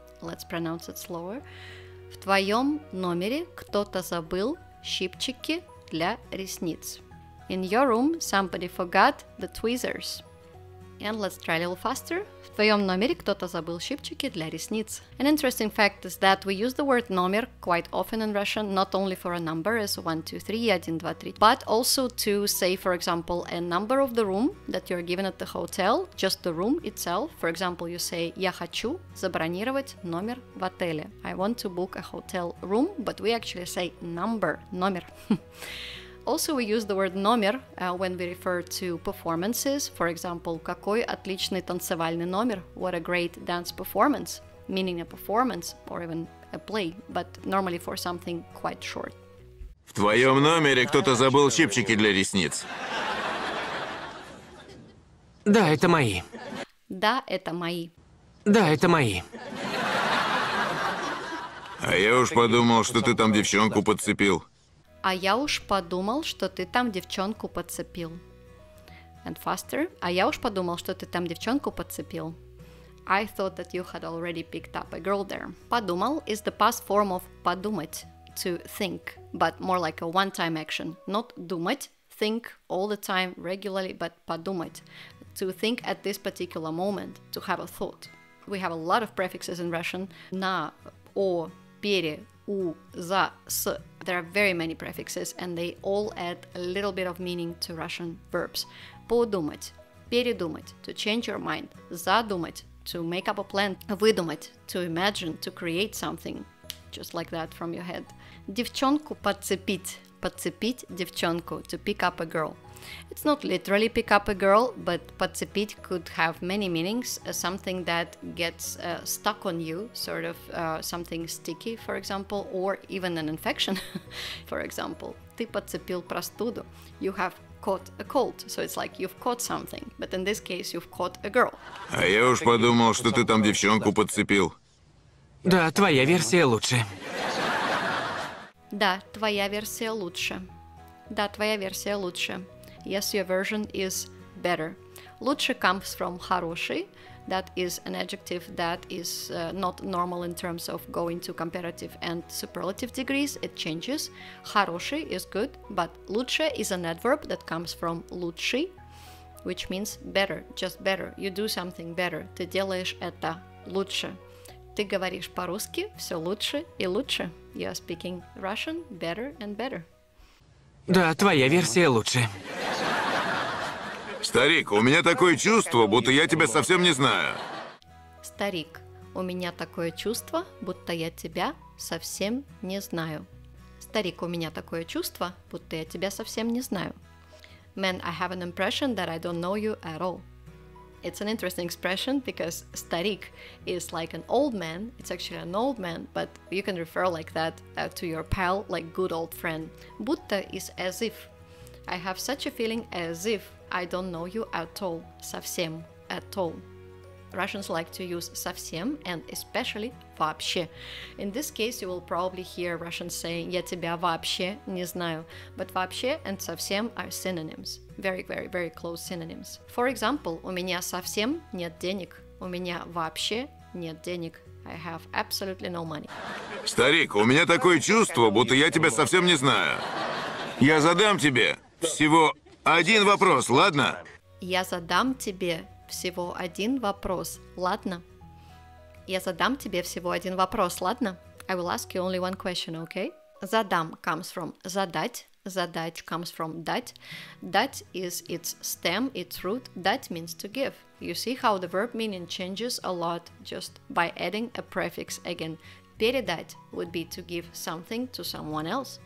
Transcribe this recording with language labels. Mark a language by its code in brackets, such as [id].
[en] Let's pronounce it slower. [ru] В твоем номере кто-то забыл щипчики для ресниц. [en] In your room somebody forgot the tweezers. And let's try a little faster. [ru] В твоем номере кто-то забыл щипчики для ресниц. [en] An interesting fact is that we use the word номер quite often in Russian, not only for a number as 1, 2, 3, 1, 2, 3, but also to say, for example, a number of the room that you're given at the hotel, just the room itself. For example, you say, [ru] я хочу забронировать номер в отеле. [en] I want to book a hotel room, but we actually say number, номер. Also, we use the word номер when we refer to performances. For example, [ru] какой отличный танцевальный номер. [en] What a great dance performance. Meaning a performance or even a play, but normally for something quite short. [ru] В твоем номере кто-то забыл щипчики для ресниц. Да, это мои. Да, это мои. Да, это мои. А я уж подумал, что ты там девчонку подцепил. А я уж подумал, что ты там девчонку подцепил. [en] and faster. [ru] А я уж подумал, что ты там девчонку подцепил. [en] I thought that you had already picked up a girl there. Подумал is the past form of подумать, to think, but more like a one-time action. Not думать, think all the time, regularly, but подумать, to think at this particular moment, to have a thought. We have a lot of prefixes in Russian. На, о, пере, у, за, с. There are very many prefixes, and they all add a little bit of meaning to Russian verbs. Подумать, передумать, to change your mind, задумать, to make up a plan, выдумать, to imagine, to create something, just like that from your head. [ru] Девчонку подцепить, подцепить девчонку, [en] to pick up a girl. It's not literally pick up a girl, but подцепить could have many meanings. Something that gets stuck on you, sort of something sticky, for example, or even an infection, for example. [ru] Ты подцепил простуду. [en] You have caught a cold, so it's like you've caught something, but in this case you've caught a girl. [ru] А я уж подумал, что ты там девчонку подцепил. Да, твоя версия лучше. Да, твоя версия лучше. Да, твоя версия лучше. [en] Yes, your version is better. Лучше comes from хороший. That is an adjective that is not normal in terms of going to comparative and superlative degrees. It changes. Хороший is good, but лучше is an adverb that comes from лучший, which means better, just better. You do something better. [ru] Ты делаешь это лучше. Ты говоришь по-русски все лучше и лучше. [en] You are speaking Russian better and better. [ru] Да, твоя версия лучше. Старик, у меня такое чувство, будто я тебя совсем не знаю. Старик, у меня такое чувство, будто я тебя совсем не знаю. Старик, у меня такое чувство, будто я тебя совсем не знаю. [en] Man, I have an impression that I don't know you at all. It's an interesting expression because старик is like an old man. It's actually an old man, but you can refer like that to your pal, like good old friend. Будто is as if. I have such a feeling as if I don't know you at all. Совсем. At all. Russians like to use совсем and especially вообще. In this case, you will probably hear Russians saying [ru] я тебя вообще не знаю. [en] But вообще and совсем are synonyms. Very, very, very close synonyms. For example, [ru] у меня совсем нет денег. У меня вообще нет денег. [en] I have absolutely no money. [ru] Старик, у меня такое чувство, будто я тебя совсем не знаю. Я задам тебе всего один вопрос, ладно? Я задам тебе всего один вопрос, ладно? Я задам тебе всего один вопрос, ладно? [en] I will ask you only one question, okay? Задам comes from задать. Задать comes from дать. Дать is its stem, its root. Дать means to give. You see how the verb meaning changes a lot just by adding a prefix again. Передать would be to give something to someone else.